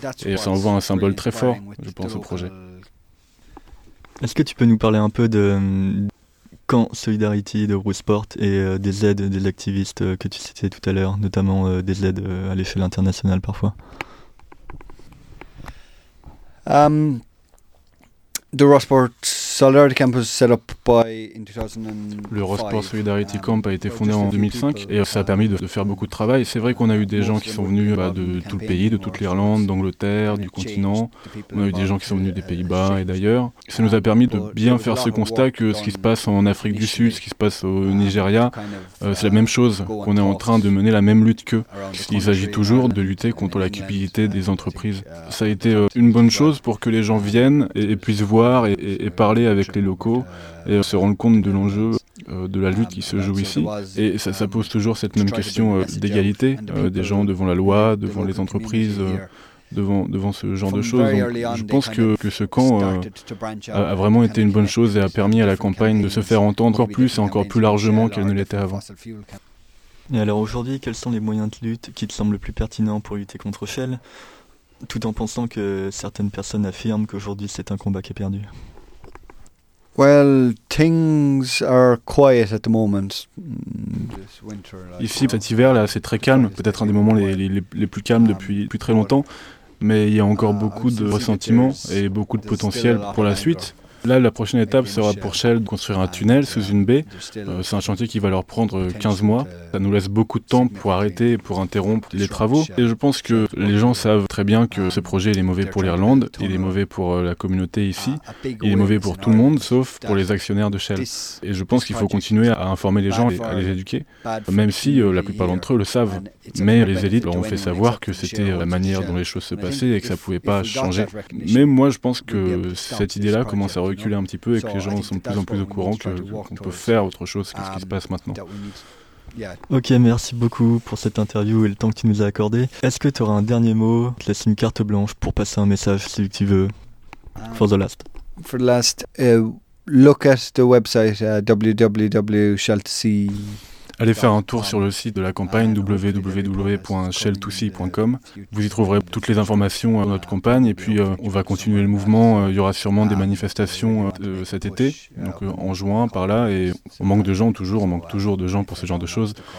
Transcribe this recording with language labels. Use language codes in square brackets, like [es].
[fr] Et ça envoie un symbole très fort, je pense, au projet. Est-ce que tu peux nous parler un peu de Camp Solidarity de Rosport et des aides des activistes que tu citais tout à l'heure, notamment des aides à l'échelle internationale parfois? [en] The Rossport Solidarity Camp was set up by in 2005. [fr] Le Rossport Solidarity Camp a été fondé en 2005 et ça a permis de faire beaucoup de travail. C'est vrai qu'on a eu des gens qui sont venus de tout le pays, de toute l'Irlande, d'Angleterre, du continent. On a eu des gens qui sont venus des Pays-Bas et d'ailleurs. Ça nous a permis de bien faire ce constat que ce qui se passe en Afrique du Sud, ce qui se passe au Nigeria, c'est la même chose, qu'on est en train de mener la même lutte qu'eux. Il s'agit toujours de lutter contre la cupidité des entreprises. Ça a été une bonne chose pour que les gens viennent et puissent voir et parler avec les locaux et se rendre compte de l'enjeu de la lutte qui se joue ici. Et ça pose toujours cette même question d'égalité des gens devant la loi, devant les entreprises, devant ce genre de choses. Je pense que ce camp a vraiment été une bonne chose et a permis à la campagne de se faire entendre encore plus et encore plus largement qu'elle ne l'était avant. Et alors aujourd'hui, quels sont les moyens de lutte qui te semblent le plus pertinents pour lutter contre Shell, tout en pensant que certaines personnes affirment qu'aujourd'hui c'est un combat qui est perdu? [en] Well, things are quiet at the moment. [fr] Ici, cet hiver, là, c'est très calme, peut-être un des moments les plus calmes depuis très longtemps, mais il y a encore beaucoup de ressentiments et beaucoup de potentiel pour la suite. Là, la prochaine étape sera pour Shell de construire un tunnel sous une baie. C'est un chantier qui va leur prendre 15 mois. Ça nous laisse beaucoup de temps pour arrêter et pour interrompre les travaux. Et je pense que les gens savent très bien que ce projet est mauvais pour l'Irlande, il est mauvais pour la communauté ici, il est mauvais pour tout le monde, sauf pour les actionnaires de Shell. Et je pense qu'il faut continuer à informer les gens et à les éduquer, même si la plupart d'entre eux le savent. Mais les élites leur ont fait savoir que c'était la manière dont les choses se passaient et que ça ne pouvait pas changer. Mais moi, je pense que cette idée-là commence à reculer un petit peu et que les gens sont de plus en plus au courant qu'on peut faire autre chose que ce qui se passe maintenant. Ok, merci beaucoup pour cette interview et le temps que tu nous as accordé. Est-ce que tu auras un dernier mot? Je te laisse une carte blanche pour passer un message si tu veux. [en] For the last, look at the website www.shell2c.com. [fr] Allez faire un tour sur le site de la campagne www.shell2c.com. Vous y trouverez toutes les informations de notre campagne et puis on va continuer le mouvement. Il y aura sûrement des manifestations cet été, donc en juin par là, et on manque toujours de gens pour ce genre de choses.